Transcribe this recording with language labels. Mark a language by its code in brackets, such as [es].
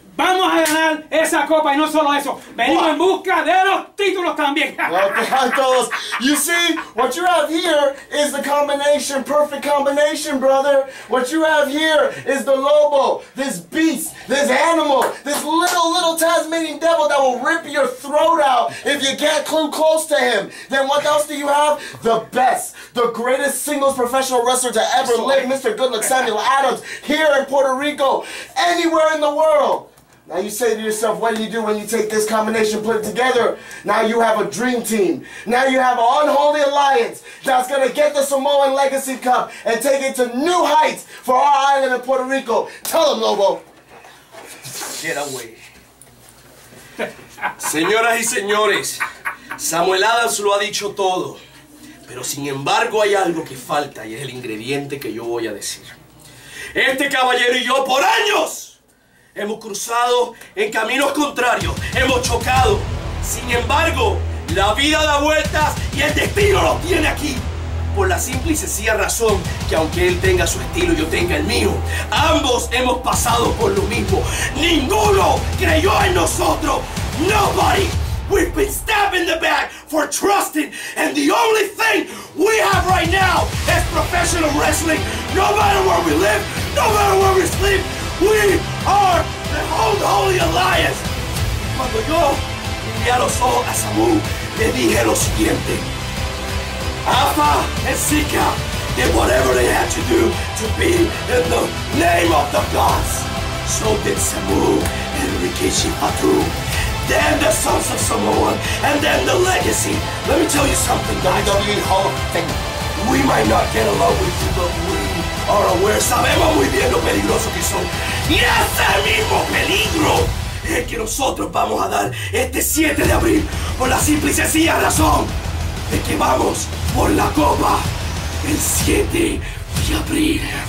[es] Vamos a ganar esa copa y no solo eso. Venimos en busca de los títulos también. [en] Los You see, what you have here is the combination, perfect combination, brother. What you have here is the lobo, this beast, this animal, this little, little Tasmanian devil that will rip your throat out if you get too close to him. Then what else do you have? The best, the greatest singles professional wrestler to ever live, Mr. Goodluck Samuel Adams, here in Puerto Rico, anywhere in the world. Now you say to yourself, what do you take this combination, put it together? Now you have a dream team. Now you have an unholy alliance that's going to get the Samoan Legacy Cup and take it to new heights for our island of Puerto Rico. Tell them, Lobo. Get away. [es] Señoras y señores, Samuel Adams lo ha dicho todo. Pero sin embargo hay algo que falta y es el ingrediente que yo voy a decir. Este caballero y yo por años hemos cruzado en caminos contrarios, hemos chocado. Sin embargo, la vida da vueltas y el destino lo tiene aquí. Por la simple y sencilla razón que aunque él tenga su estilo y yo tenga el mío, ambos hemos pasado por lo mismo. Ninguno creyó en nosotros. [en] Nobody. We've been stabbed in the back for trusting. And the only thing we have right now is professional wrestling. No matter where we live, no matter where we sleep, we are the Old Holy Alliance. [es] Cuando yo miré a los ojos a Samu, le dije lo siguiente. [en] Alpha and Sika did whatever they had to do to be in the name of the gods. So did Samu and Rikishi Patu. Then the Sons of Samoan, and then the Legacy. Let me tell you something, guys. WWE Hall of Fame. We might not get along with you, but we are aware. [es] Sabemos muy bien lo peligroso que son. Y ese mismo peligro es que nosotros vamos a dar este 7 de abril por la simple y sencilla razón de que vamos por la copa el 7 de abril.